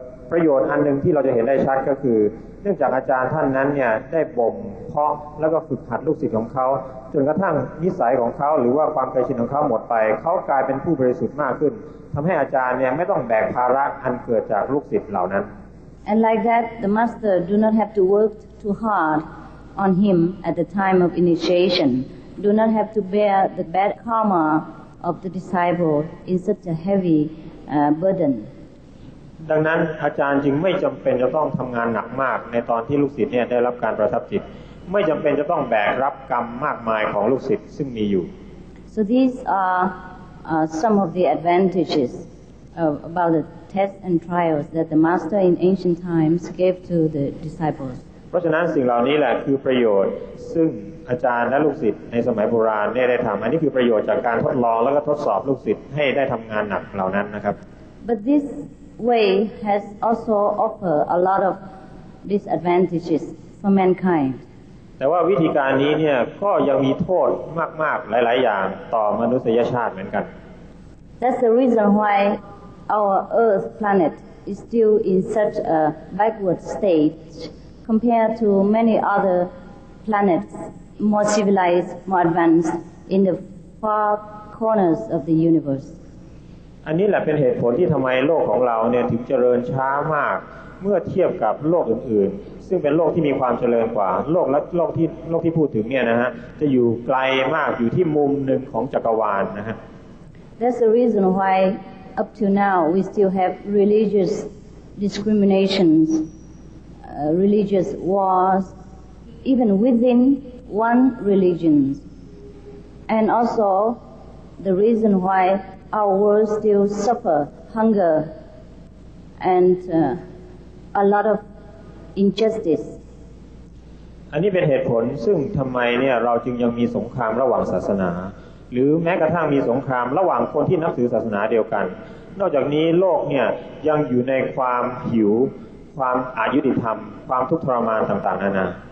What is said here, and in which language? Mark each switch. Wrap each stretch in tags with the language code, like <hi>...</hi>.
<th>ประโยชน์อันนึงที่เราจะเห็นได้ชัดก็คือเนื่องจากอาจารย์ท่านนั้นเนี่ยได้บ่มเพาะแล้วก็ฝึกหัดลูกศิษย์ของเขาจนกระทั่งนิสัยของเขาหรือว่าความเคยชินของเขาหมดไปเขากลายเป็นผู้บริสุทธิ์มากขึ้นทำให้อาจารย์เนี่ยไม่ต้องแบกภาระอันเกิดจากลูกศิษย์เหล่านั้น</th> <en>And like that the master do not have to work too hard on him at the time of initiation do not have to bear the bad karma of the disciple in such a heavy burden</en> <th>ดังนั้นอาจารย์จึงไม่จำเป็นจะต้องทำงานหนักมากในตอนที่ลูกศิษย์เนี่ยได้รับการประทับจิตไม่จำเป็นจะต้องแบกรับกรรมมากมายของลูกศิษย์ซึ่งมีอยู่</th> <en>So these are some of the advantages about the tests and trials that the master in ancient times gave to the disciples</en> <th>เพราะฉะนั้นสิ่งเหล่านี้แหละคือประโยชน์ซึ่งอาจารย์และลูกศิษย์ในสมัยโบราณได้ทำอันนี้คือประโยชน์จากการทดลองแล้วก็ทดสอบลูกศิษย์ให้ได้ทำงานหนักเหล่านั้นนะครับ</th> <en>But thisway has also offered a lot of disadvantages for mankind</en> <th>แต่ว่าวิธีการนี้เนี่ยก็ยังมีโทษมากๆหลายๆอย่างต่อมนุษยชาติเหมือนกัน</th> <en>That's the reason why our earth planet is still in such a backward state compared to many other planets more civilized more advanced in the far corners of the universe</en> <th>อันนี้แหละเป็นเหตุผลที่ทำไมโลกของเราเนี่ยถึงเจริญช้ามากเมื่อเทียบกับโลกอื่นๆซึ่งเป็นโลกที่มีความเจริญกว่าโลกและโลกที่พูดถึงเนี่ยนะฮะจะอยู่ไกลมากอยู่ที่มุมหนึ่งของจักรวาลนะฮะ</th> <en>That's the reason why up to now we still have religious discriminations religious wars even within one religion and also the reason whyOur world still suffer hunger and a lot of injustice.</en> <th>อันนี้เป็นเหตุผลซึ่งทำไมเนี่ยเราจึงยังมีสงครามระหว่างศาสนาหรือแม้กระทั่งมีสงครามระหว่างคนที่นับถือศาสนาเดียวกันนอกจากนี้โลกเนี่ยยังอยู่ในความหิวความอยุติธรรมความทุกข์ทรมานต่างๆนานา</th>